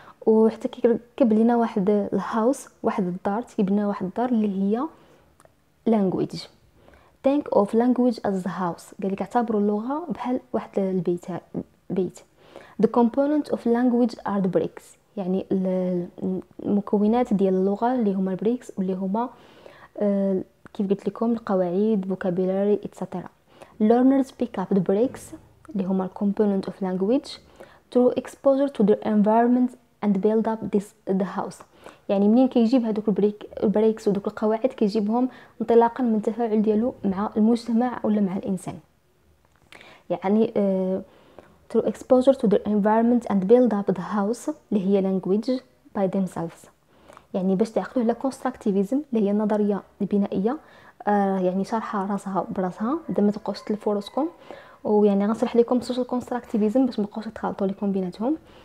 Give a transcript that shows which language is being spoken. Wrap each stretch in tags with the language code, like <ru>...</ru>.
<ar>وحتى كيركب لنا واحد الهاوس، واحد الدار، تيبنى واحد الدار اللي هي لانجويج.</ar> <en>Think of language as the house.</en> <ar>قالك اعتبروا اللغة بحال واحد البيت. بيت.</ar> <en>The components of language are the bricks.</en> <ar>يعني المكونات ديال اللغة اللي هما البريكس، واللي هما كيف قلت لكم القواعد، vocabulary, etc.</ar> <en>Learners pick up the bricks</en> <ar>اللي هما</ar> <en>components of language through exposure to their environment and build up this the house.</en> <ar>يعني منين كيجيب هذوك البريكس ودوك القواعد، كيجيبهم انطلاقا من التفاعل ديالو مع المجتمع ولا مع الانسان. يعني</ar> <en>through exposure to their environment and build up the house</en> <ar>اللي هي</ar> <en>language by themselves.</en> <ar>يعني باش تعقلوا على constructivism اللي هي النظريه البنائيه، يعني شرحها راسها براسها بدل ما تبقاوش تلفوا راسكم. ويعني غنشرح لكم social constructivism باش ما تبقاوش تخلطوا لكم بيناتهم.</ar>